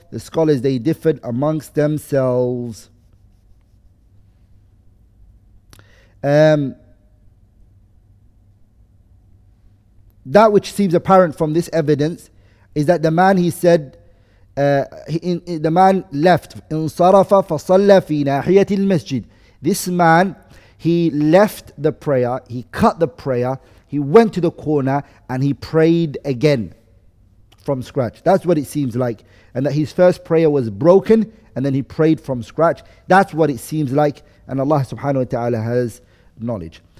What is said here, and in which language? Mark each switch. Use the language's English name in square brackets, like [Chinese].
[English] The scholars, they differed amongst themselves. That which seems apparent from this evidence is that the man, he said, the man left. [Arabic] انصرفَ فصلَّى في ناحية المسجد. [English] This man, he left the prayer, he cut the prayer, he went to the corner and he prayed again from scratch. That's what it seems like. And that his first prayer was broken and then he prayed from scratch. That's what it seems like. And Allah subhanahu wa ta'ala has knowledge.